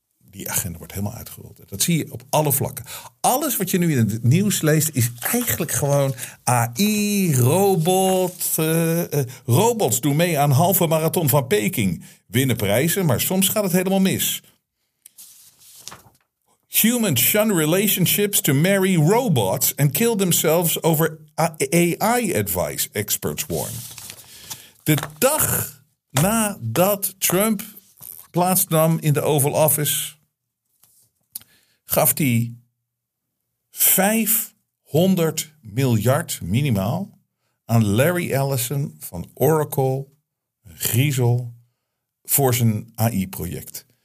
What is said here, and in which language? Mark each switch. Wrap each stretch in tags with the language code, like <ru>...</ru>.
<nl>Die agenda wordt helemaal uitgerold. Dat zie je op alle vlakken. Alles wat je nu in het nieuws leest is eigenlijk gewoon AI, robot. Robots doen mee aan halve marathon van Peking. Winnen prijzen, maar soms gaat het helemaal mis.</nl> <en>Humans shun relationships to marry robots and kill themselves over AI advice, experts warn.</en> <nl>De dag nadat Trump plaatsnam in de Oval Office, gaf hij 500 miljard minimaal aan Larry Ellison van Oracle, Griezel, voor zijn AI-project.</nl>